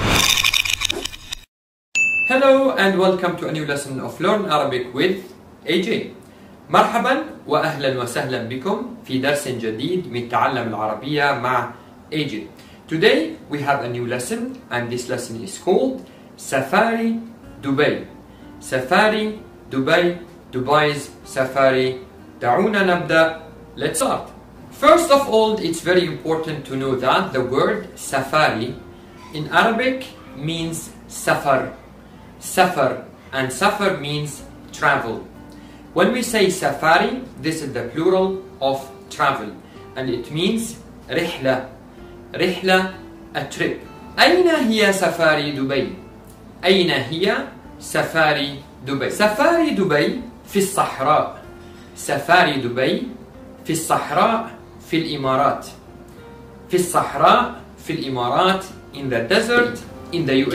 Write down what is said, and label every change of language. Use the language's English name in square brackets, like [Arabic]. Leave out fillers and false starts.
[English] Hello and welcome to a new lesson of Learn Arabic with AJ. [Arabic] مرحبا وأهلا وسهلا بكم في درس جديد من تعلم العربية مع AJ. [English] Today we have a new lesson and this lesson is called Safari Dubai. Safari Dubai, Dubai's Safari. [Arabic] دعونا نبدأ. [English] Let's start. First of all, it's very important to know that the word Safari in Arabic means safar. Safar, and safar means travel. When we say safari, this is the plural of travel, and it means رحلة. رحلة, a trip. [Arabic] أين هي سفاري دبي؟ أين هي سفاري دبي؟ سفاري دبي في الصحراء. سفاري دبي في الصحراء في الإمارات. في الصحراء في الإمارات. [English] In the desert. In the UK.